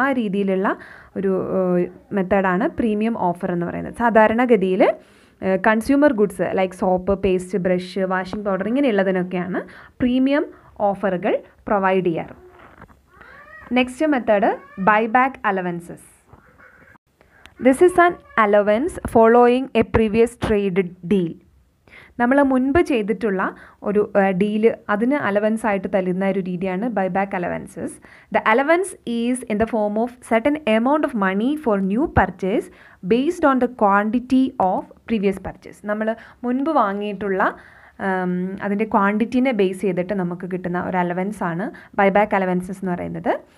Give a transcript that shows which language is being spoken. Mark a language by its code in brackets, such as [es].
[ml] ആ രീതിയിലുള്ള ഒരു മെത്തേഡാണ് പ്രീമിയം ഓഫർ എന്ന് പറയുന്നത്. സാധാരണഗതിയിൽ consumer goods like soap, paste, brush, washing powder ഇങ്ങനെയുള്ളതിനൊക്കെയാണ് premium ഓഫറുകൾ പ്രൊവൈഡ് ചെയ്യാറ്. Next method buyback allowances. [en] This is an allowance following a previous trade deal. [ml] നമ്മൾ മുൻപ് ചെയ്തിട്ടുള്ള ഒരു ഡീൽ അതിന് അലവൻസ് ആയിട്ട് തരുന്ന ഒരു രീതിയാണ് by back allowances. [en] The allowance is in the form of certain amount of money for new purchase based on the quantity of previous purchase. [ml] നമ്മൾ മുൻപ് വാങ്ങിയിട്ടുള്ള അതിൻ്റെ ക്വാണ്ടിറ്റീനെ ബേസ് ചെയ്തിട്ട് നമുക്ക് കിട്ടുന്ന ഒരു അലവൻസ് ആണ് ബൈ ബാക്ക് അലവൻസസ് എന്ന് പറയുന്നത്.